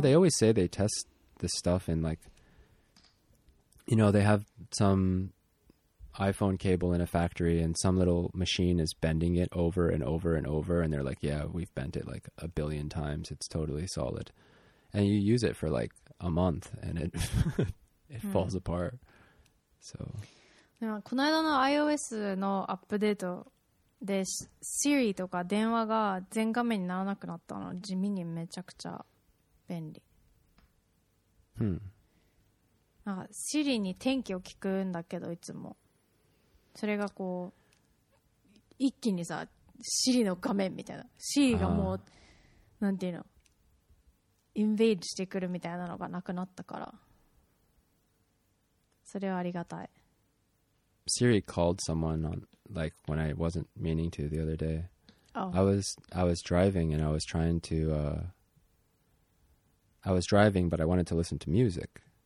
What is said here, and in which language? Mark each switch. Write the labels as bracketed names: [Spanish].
[English] they always say they test this stuff in like, you know, they have some iPhone cable in a factory and some little machine is bending it over and over and over. And they're like, yeah, we've bent it like a billion times. It's totally solid. And you use it for like a month and it falls apart. So. [Japanese] この間の iOS のアップデートで Siri とか電話が全画面にならなくなったの、地味にめちゃくちゃ便利。うん。なんか Siri に天気を聞くんだけど、いつも。それがこう、一気にさ、Siri の画面みたいな。 Siri がもう、なんていうの、インベイドしてくるみたいなのがなくなったから。それはありがたい。 [English] Siri called someone on, like, when I wasn't meaning to the other day. Oh. I was driving and I was trying to, I was driving, but I wanted to listen to music.